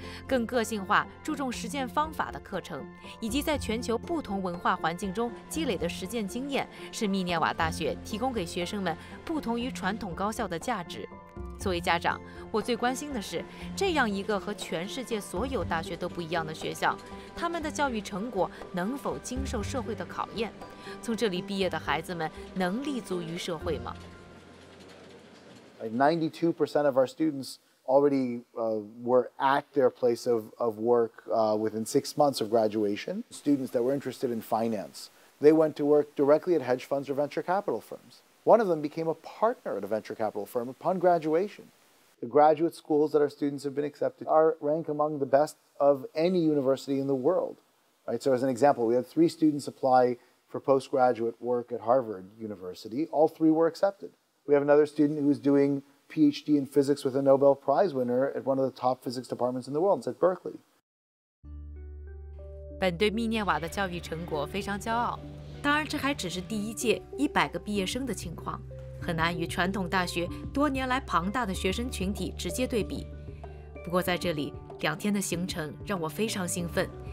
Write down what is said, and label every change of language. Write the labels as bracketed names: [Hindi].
[Chinese] 更个性化注重实践方法的课程，以及在全球不同文化环境中积累的实践经验，是密涅瓦大学提供给学生们不同于传统高校的价值。作为家长，我最关心的是，这样一个和全世界所有大学都不一样的学校，他们的教育成果能否经受社会的考验？从这里毕业的孩子们能立足于社会吗？ [English] 92% of our students already were at their place of work within 6 months of graduation. Students that were interested in finance, they went to work directly at hedge funds or venture capital firms. One of them became a partner at a venture capital firm upon graduation. The graduate schools that our students have been accepted are ranked among the best of any university in the world. Right? So as an example, we had 3 students apply for postgraduate work at Harvard University. All 3 were accepted. We have another student who is doing PhD in physics with a Nobel Prize winner at one of the top physics departments in the world, at Berkeley. [Chinese] 本对密涅瓦的教育成果非常骄傲。当然，这还只是第一届100个毕业生的情况，很难与传统大学多年来庞大的学生群体直接对比。不过在这里，2天的行程让我非常兴奋。